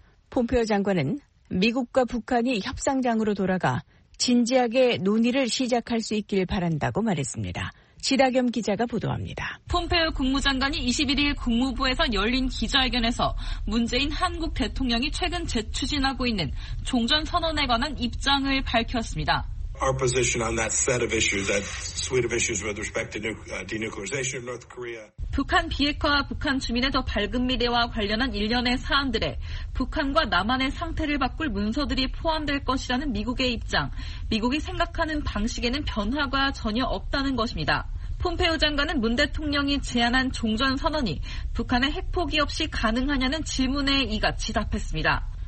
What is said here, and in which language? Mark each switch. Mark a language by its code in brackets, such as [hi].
[ko] 폼페오 장관은 미국과 북한이 협상장으로 돌아가 진지하게 논의를 시작할 수 있길 바란다고 말했습니다. 지다겸 기자가 보도합니다. 폼페오 국무장관이 21일 국무부에서 열린 기자회견에서 문재인 한국 대통령이 최근 재추진하고 있는 종전선언에 관한 입장을 밝혔습니다. [en] Our position on that set of issues, that suite of issues with respect to denuclearization of North Korea. [ko] 북한 비핵화와 북한 주민의 더 밝은 미래와 관련한 일련의 사안들에 북한과 남한의 상태를 바꿀 문서들이 포함될 것이라는 미국의 입장, 미국이 생각하는 방식에는 변화가 전혀 없다는 것입니다. 폼페오 장관은 문 대통령이 제안한 종전선언이 북한의 핵포기 없이 가능하냐는 질문에 이같이 답했습니다.